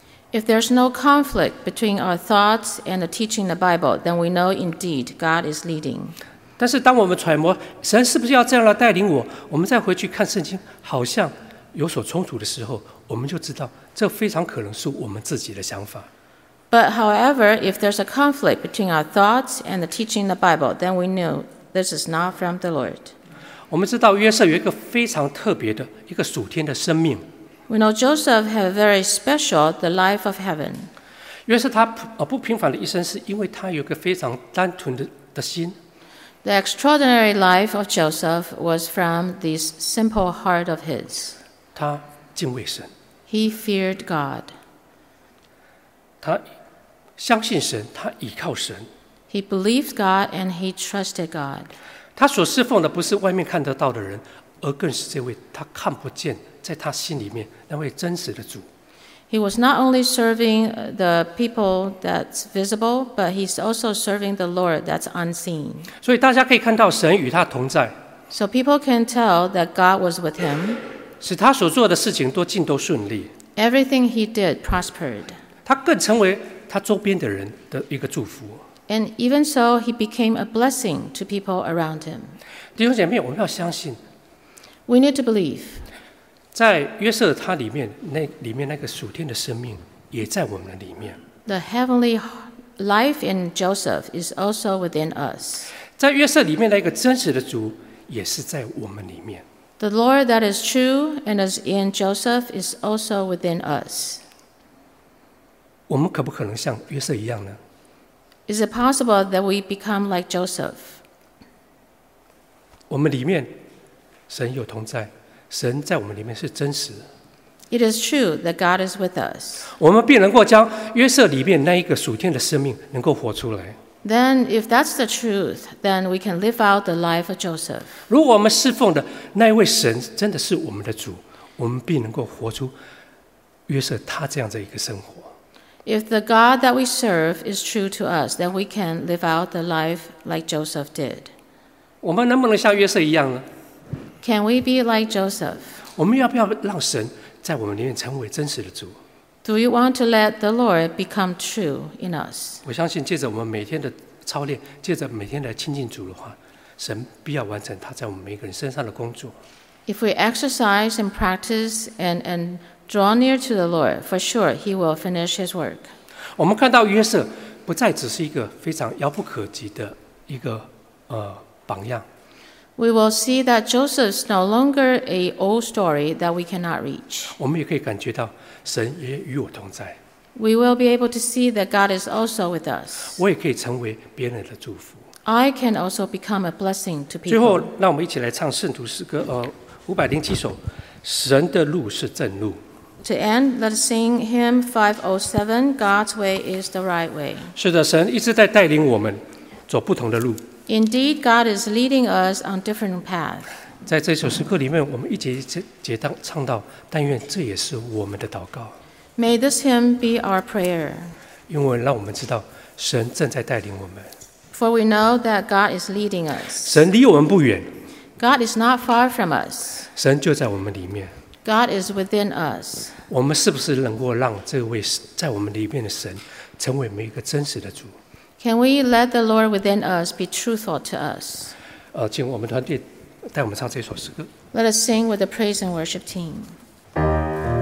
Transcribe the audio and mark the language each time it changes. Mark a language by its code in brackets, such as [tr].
[en] If there's no conflict between our thoughts and the teaching in the Bible, then we know indeed God is leading. [zh] 但是当我们揣摩神是不是要这样来带领我，我们再回去看圣经，好像有所冲突的时候，我们就知道这非常可能是我们自己的想法。 [en] But however, if there's a conflict between our thoughts and the teaching in the Bible, then we know this is not from the Lord. [zh] 我们知道约瑟有一个非常特别的一个属天的生命。 [en] We know Joseph had a very special the life of heaven. [zh] 约瑟他不平凡的一生，是因为他有一个非常单纯 的心。 [en] The extraordinary life of Joseph was from this simple heart of his. [zh] 他敬畏神。 [en] He feared God. [zh] 他相信神，他倚靠神。 [en] He believed God and he trusted God. [zh] 他所侍奉的不是外面看得到的人，而更是这位他看不见，在他心里面那位真实的主。 [en] He was not only serving the people that's visible, but he's also serving the Lord that's unseen. [zh] 所以大家可以看到神与他同在。 [en] So people can tell that God was with him. [zh] 使他所做的事情都尽都顺利。 [en] Everything he did prospered. [zh] 他更成为他周边的人的一个祝福。 [en] And even so, he became a blessing to people around him. [zh] 弟兄姐妹，我们要相信。 [en] We need to believe. [zh] 在约瑟他里面，那里面那个属天的生命也在我们的里面。 [en] The heavenly life in Joseph is also within us. [zh] 在约瑟里面那个真实的主也是在我们里面。 [en] The Lord that is true and is in Joseph is also within us. [zh] 我们可不可能像约瑟一样呢？ [en] Is it possible that we become like Joseph? [zh] 我们里面神有同在，神在我们里面是真实。 [en] It is true that God is with us. [zh] 我们必能够将约瑟里面那一个属天的生命能够活出来。 [en] Then if that's the truth, then we can live out the life of Joseph. [zh] 如果我们侍奉的那一位神真的是我们的主，我们必能够活出约瑟他这样的一个生活。 [en] If the God that we serve is true to us, then we can live out the life like Joseph did. [zh] 我们能不能像约瑟一样呢？ [en] Can we be like Joseph? [zh] 我们要不要让神在我们里面成为真实的主？ [en] Do you want to let the Lord become true in us? [zh] 我相信借着我们每天的操练，借着每天来亲近主的话，神必要完成他在我们每个人身上的工作。 [en] If we exercise and practice and draw near to the Lord, for sure he will finish his work. [zh] 我们看到约瑟不再只是一个非常遥不可及的一个榜样。 [en] We will see that Joseph is no longer an old story that we cannot reach. [zh] 我们也可以感觉到神也与我同在。 [en] We will be able to see that God is also with us. [zh] 我也可以成为别人的祝福。 [en] I can also become a blessing to people. [zh] 最后，让我们一起来唱圣徒诗歌507首，神的路是正路。 [en] To end, let us sing hymn 507, God's way is the right way. [zh] 是的，神一直在带领我们走不同的路。 [en] Indeed, God is leading us on different paths. [zh] 在这首诗歌里面，我们一起结当唱到，但愿这也是我们的祷告。 [en] May this hymn be our prayer. [zh] 因为让我们知道神正在带领我们。 [en] For we know that God is leading us. [zh] 神离我们不远。 [en] God is not far from us. [zh] 神就在我们里面。 [en] God is within us. [zh] 我们是不是能够让这位在我们里面的神成为每一个真实的主？ [en] Can we let the Lord within us be truthful to us? [zh] 请我们团队带我们唱这首诗歌。 [en] Let us sing with the praise and worship team.